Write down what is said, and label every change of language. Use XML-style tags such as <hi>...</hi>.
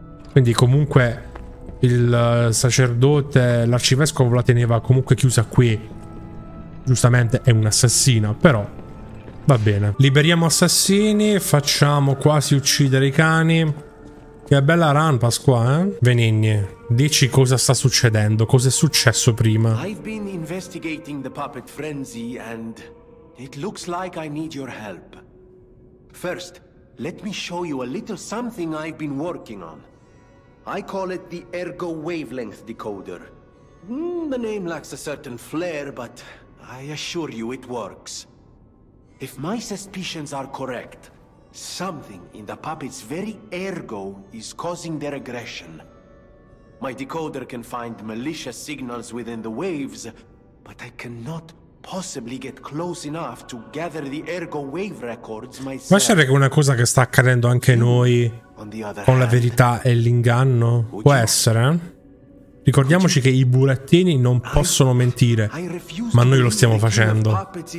<it>Quindi comunque il sacerdote, l'arcivescovo la teneva comunque chiusa qui. Giustamente è un'assassina, però va bene. Liberiamo assassini, facciamo quasi uccidere i cani. Che bella run, Pasqua, eh? Venigni, dici cosa sta succedendo, cosa è successo prima.</it> <en>I've been investigating the puppet frenzy and it looks like I need your help. First, let me show you a little something I've been working on. I call it the Ergo Wavelength Decoder. The name lacks a certain flair, but... I assure you it works. If my suspicions are correct, something in the puppet's very ergo is causing their aggression. My decoder can find malicious signals within the waves, but I cannot possibly get close enough to gather the ergo wave records myself.</en> <it>Ma sarebbe che una cosa che sta accadendo anche noi con la verità e l'inganno può essere, eh? Ricordiamoci che i burattini non possono mentire, ma noi lo stiamo facendo.</it>